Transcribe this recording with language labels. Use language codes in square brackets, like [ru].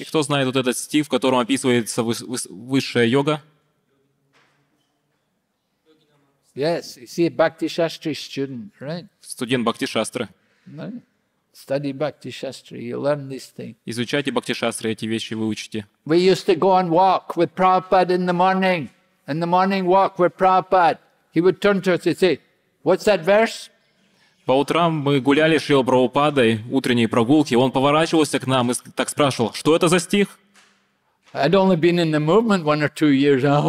[ru] И кто знает вот этот стих, в котором описывается высшая йога? [en] Yes, you see, Bhakti Shastri student, right? [ru] Студент Бхакти Шастры. [en] Right? Study Bhakti Shastri, you learn these things. [ru] Изучайте Бхакти Шастры, эти вещи вы учите. [en] We used to go on walk with Prabhupada in the morning. In the morning walk with Prabhupada. He would turn to us and say, what's that verse? [ru] По утрам мы гуляли с Шрилой Прабхупадой, утренние прогулки. Он поворачивался к нам и так спрашивал, что это за стих? [en] I'd only been in the movement one or two years.